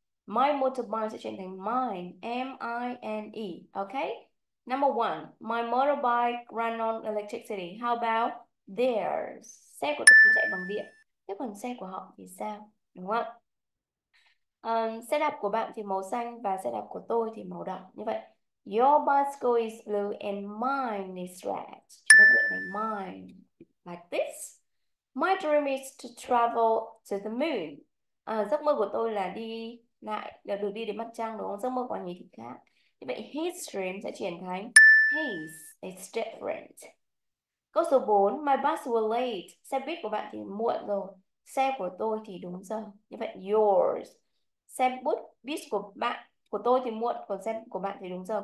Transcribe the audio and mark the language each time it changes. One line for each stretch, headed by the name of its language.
English: My motorbike
Vietnamese: sẽ chuyển thành
English: mine, mine. Ok. Number one, my motorbike ran on electricity. How about theirs?
Vietnamese: Xe của tôi chạy bằng điện. Thế còn xe của họ thì sao? Đúng không? Xe đạp của bạn thì màu xanh và xe đạp của tôi thì màu đỏ. Như vậy,
English: your bicycle is blue and mine is red.
Vietnamese: Chúng ta chuyển thành mine.
English: Like this. My dream is to travel to the moon.
Vietnamese: Giấc mơ của tôi là đi lại, là được đi đến mặt trăng, đúng không? Giấc mơ của anh ấy thì khác. Như vậy,
English: his dream
Vietnamese: sẽ chuyển thành his.
English: It's different.
Vietnamese: Câu số 4,
English: my bus was late.
Vietnamese: Xe buýt của bạn thì muộn rồi. Xe của tôi thì đúng giờ. Như vậy, yours. Xe buýt của bạn, của tôi thì muộn, còn xe của bạn thì đúng giờ.